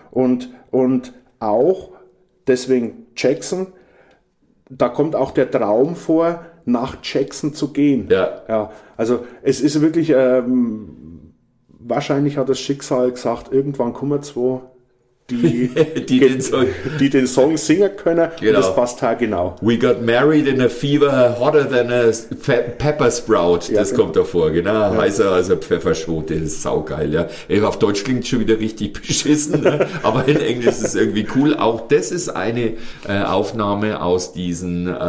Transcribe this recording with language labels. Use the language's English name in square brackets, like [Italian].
[German] Und auch, deswegen Jackson, da kommt auch der Traum vor, nach Jackson zu gehen. Ja. Ja. Also es ist wirklich, wahrscheinlich hat das Schicksal gesagt, irgendwann kommen zwei, die den Song singen können, genau. Und das passt da genau. [English] We got married in a fever hotter than a pepper sprout, [German] ja, das genau. Kommt davor, genau, heißer als eine Pfefferschote, das ist saugeil, ja. Ey, auf Deutsch klingt schon wieder richtig beschissen, ne? Aber in Englisch ist es irgendwie cool. Auch das ist eine Aufnahme aus diesen